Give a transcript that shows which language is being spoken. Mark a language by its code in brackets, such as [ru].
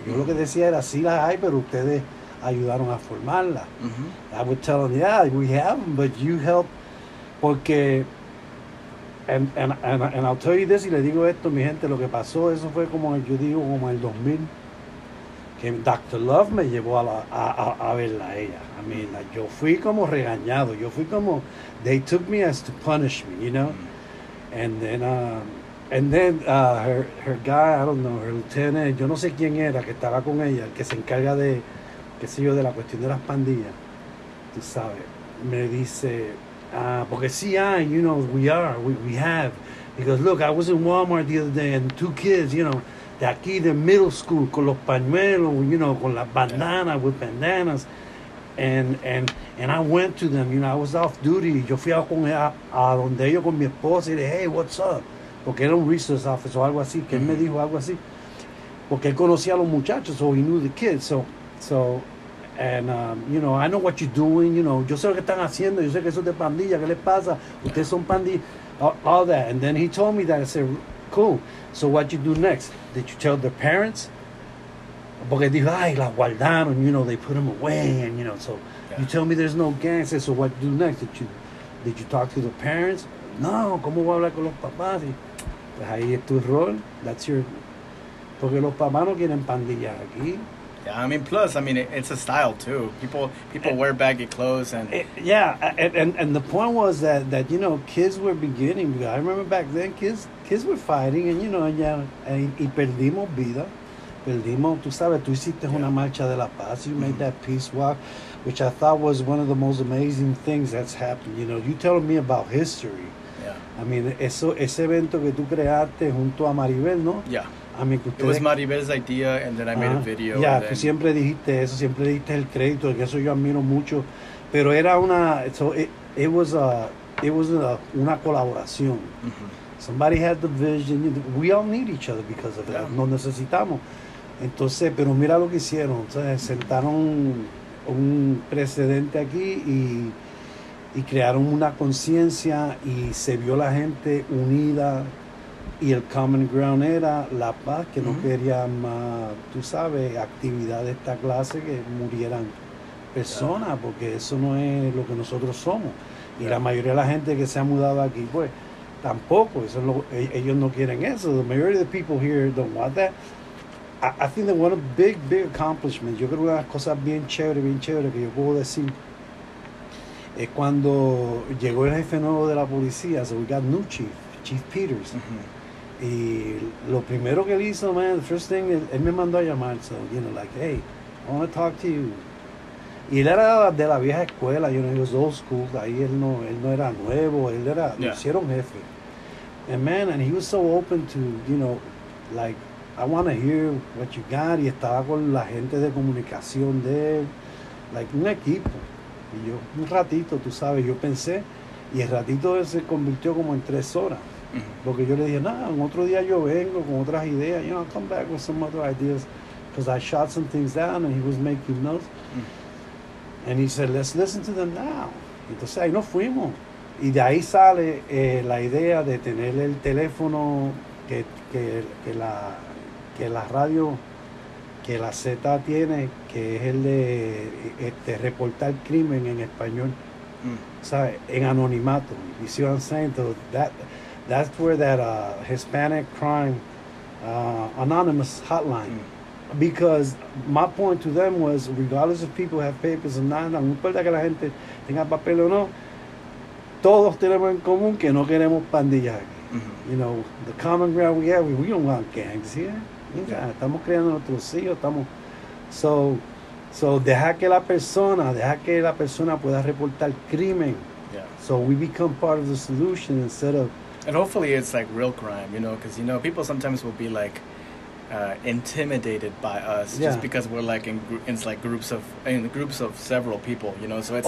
[es] Yo lo que decía era, sí las hay, pero ustedes ayudaron a formarla. [en] I would tell them, yeah, we have them, but you help, porque... And I'll tell you this, [es] y le digo esto, mi gente, lo que pasó, eso fue como, yo digo, como el 2000, que Dr. Love me llevó a verla a ella. [en] I mean, like, [es] yo fui como regañado, yo fui como, [en] they took me as to punish me, you know? And then her guy, I don't know, her lieutenant, [es] yo no sé quién era, que estaba con ella, el que se encarga de, qué sé yo, de la cuestión de las pandillas, tú sabes, me dice... porque sí hay, [en] you know, we have. Because look, I was in Walmart the other day and two kids, you know, [es] de aquí, de middle school, con los pañuelos, [en] you know, [es] con las bandanas, [en] with bandanas. And I went to them, you know, I was off duty. [es] Yo fui a donde ellos con mi esposa y dije, [en] hey, what's up? [es] Porque era un resource officer o algo así, que él me dijo algo así. Porque él conocía a los muchachos, [en] so he knew the kids, so... And, you know, I know what you're doing, you know. [es] Yo sé lo que están haciendo. Yo sé que eso es de pandilla. ¿Qué les pasa? Ustedes son pandilla. [en] All that. And then he told me that. I said, cool. So what you do next? Did you tell their parents? [es] Porque dijo, ay, la guardaron. [en] You know, they put them away. And, you know, so you tell me there's no gang. I said, so what you do next? Did you talk to the parents? No. [es] ¿Cómo voy a hablar con los papás? Y, pues ahí es tu rol. [en] That's your... [es] Porque los papás no quieren pandilla aquí. [en] Yeah, I mean, plus, I mean, it's a style too. People wear baggy clothes, and and the point was that you know, kids were beginning. I remember back then, kids were fighting, and you know, [es] y perdimos vida, perdimos. Tú sabes, tú hiciste una marcha de la paz. [en] You made that peace walk, which I thought was one of the most amazing things that's happened. You know, you telling me about history. Yeah. I mean, [es] ese evento que tú creaste junto a Maribel, ¿no? [en] Yeah. I mean, it was Maribel's idea, and then I made a video. Yeah, then... [es] tú siempre dijiste eso, siempre dijiste el crédito, que eso yo admiro mucho. Pero era una, una colaboración. Mm-hmm. [en] Somebody had the vision. We all need each other because of that. [es] Nos necesitamos. Entonces, pero mira lo que hicieron. O sea, sentaron un precedente aquí y crearon una conciencia y se vio la gente unida. Y el common ground era la paz, que no quería más, tú sabes, actividad de esta clase, que murieran personas, porque eso no es lo que nosotros somos. Y la mayoría de la gente que se ha mudado aquí, pues, tampoco, eso es lo, ellos no quieren eso. [en] The majority of the people here don't want that. I think that one of big, big accomplishments, [es] yo creo que una de las cosas bien chévere que yo puedo decir, es cuando llegó el jefe nuevo de la policía, [en] so we got new Chief Peters. Mm-hmm. [es] Y lo primero que él hizo, [en] man, the first thing, [es] él me mandó a llamar, [en] so, you know, like, hey, I want to talk to you. [es] Y él era de la vieja escuela, [en] you know, he was old school, [es] ahí él no era nuevo, él era, lo hicieron jefe. [en] And man, and he was so open to, you know, like, I want to hear what you got, [es] y estaba con la gente de comunicación de él, [en] like, un equipo. [es] Y yo, un ratito, tú sabes, yo pensé, y el ratito se convirtió como en 3 horas. Porque yo le dije, nah, en otro día yo vengo con otras ideas, [en] you know, I'll come back with some other ideas, because I shot some things down and he was making notes. And he said, let's listen to them now. [es] Entonces ahí nos fuimos. Y de ahí sale la idea de tener el teléfono que la radio, que la Z tiene, que es el de reportar crimen en español. O sea, en anonimato. [en] You see what I'm saying? So that's where that Hispanic crime anonymous hotline. Because my point to them was, regardless if people have papers or not, [es] no importa que la gente tenga papel o no, todos tenemos en común que no queremos pandillas. [en] You know, the common ground we have, we don't want gangs here. [es] Estamos creando nuestros hijos, estamos... So deja que la persona pueda reportar crimen. [en] So we become part of the solution instead of... And hopefully it's like real crime, you know, because, you know, people sometimes will be like intimidated by us just because we're like in groups of several people, you know. So it's